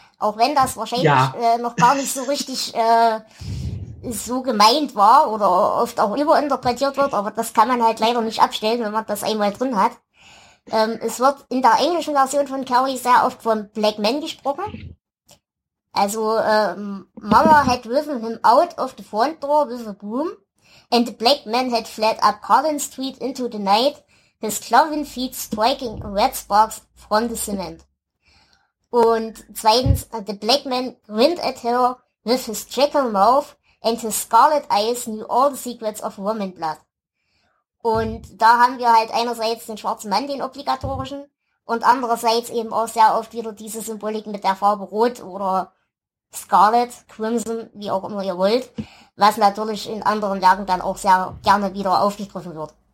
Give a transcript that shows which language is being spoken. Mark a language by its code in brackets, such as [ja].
[de] Auch wenn das wahrscheinlich noch gar nicht so richtig so gemeint war oder oft auch überinterpretiert wird, aber das kann man halt leider nicht abstellen, wenn man das einmal drin hat. Es wird in der englischen Version von Carrie sehr oft von Black Men gesprochen. [en] Also Mama had driven him out of the front door with a broom and the black man had fled up Collins Street into the night, his cloven feet striking red sparks from the cement. [de] Und zweitens, [en] the black man grinned at her with his jackal mouth and his scarlet eyes knew all the secrets of woman blood. [de] Und da haben wir halt einerseits den schwarzen Mann, den obligatorischen, und andererseits eben auch sehr oft wieder diese Symbolik mit der Farbe Rot oder Scarlet, Crimson, wie auch immer ihr wollt, was natürlich in anderen Werken dann auch sehr gerne wieder aufgegriffen wird.